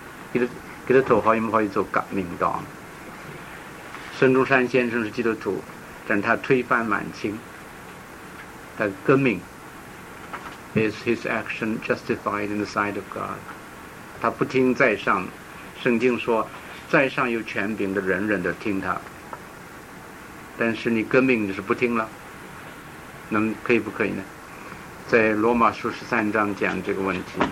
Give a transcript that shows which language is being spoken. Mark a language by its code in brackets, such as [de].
[zh] 基督徒可以不可以做革命党？孙中山先生是基督徒，但他推翻满清，他革命。 [en] Is his action justified in the sight of God? [zh] 他不听在上，圣经说，在上有权柄的人人都听他。但是你革命，你是不听了。能可以不可以呢？在罗马书十三章讲这个问题。